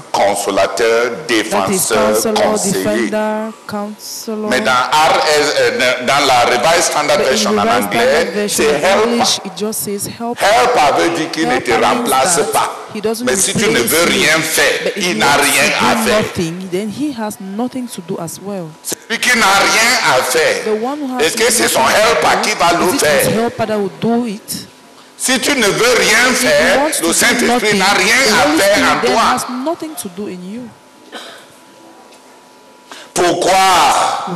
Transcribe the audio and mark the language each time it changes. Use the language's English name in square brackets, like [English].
[French] Consolateur, défenseur, conseiller. [English] Defender, counselor. [French] Mais dans la Revised Standard Version en anglais, c'est helper. Helper veut dire qu'il ne te remplace pas. Mais si tu ne veux rien faire, il n'a rien à faire. [English] Nothing, then he has nothing to do as well. [French] Celui qui n'a rien à faire, est-ce que c'est son helper qui va le faire? [English] His helper that will do it? [French] Si tu ne veux rien faire, le Saint-Esprit n'a rien à faire en toi. [English] Has nothing to do in you. [French] Pourquoi?